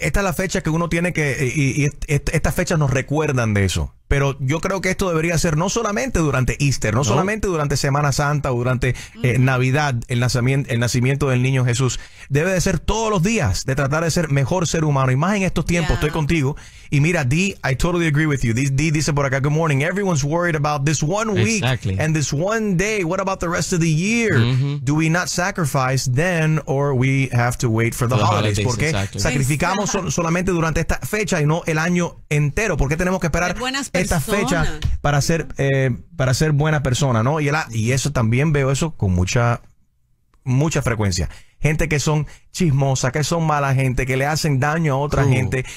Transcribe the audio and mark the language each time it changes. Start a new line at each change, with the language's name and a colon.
Spanish: Esta es la fecha que uno tiene que... Estas fechas nos recuerdan de eso. Pero yo creo que esto debería ser no solamente durante Easter, no solamente durante Semana Santa o durante Navidad, el nacimiento del niño Jesús. Debe de ser todos los días de tratar de ser mejor ser humano. Y más en estos tiempos, yeah. estoy contigo. Y mira,
English: Dee, I totally agree with you. Dee
Spanish: dice por acá,
English: good morning. Everyone's worried about this one week exactly. and this one day. What about the rest of the year? Mm-hmm. Do we not sacrifice then or we have to wait for the holidays?
Spanish: ¿Por qué
English: exactly.
Spanish: sacrificamos solamente durante esta fecha y no el año entero? ¿Por qué tenemos que esperar esta fecha para ser buena persona, ¿no? Y eso también veo eso con mucha frecuencia. Gente que son chismosa, que son mala gente, que le hacen daño a otra gente.